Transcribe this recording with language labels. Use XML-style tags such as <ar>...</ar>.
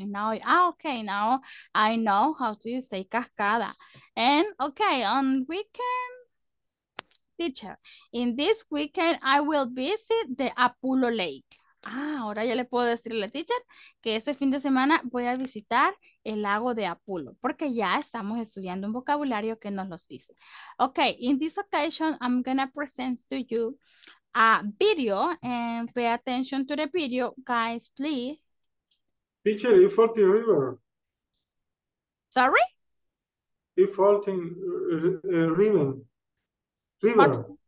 <en>Now, okay, now I know how to say cascada. And okay, on weekend, teacher, in this weekend, I will visit the Apulo Lake.</en> <es>Ah, ahora ya le puedo decirle a la teacher que este fin de semana voy a visitar el lago de Apulo, porque ya estamos estudiando un vocabulario que nos los dice.</es> <en>Okay, in this occasion, I'm going to present to you a video, and pay attention to the video, guys, please. Teacher, you fall in the river. Sorry? You fall in the river. River.</en>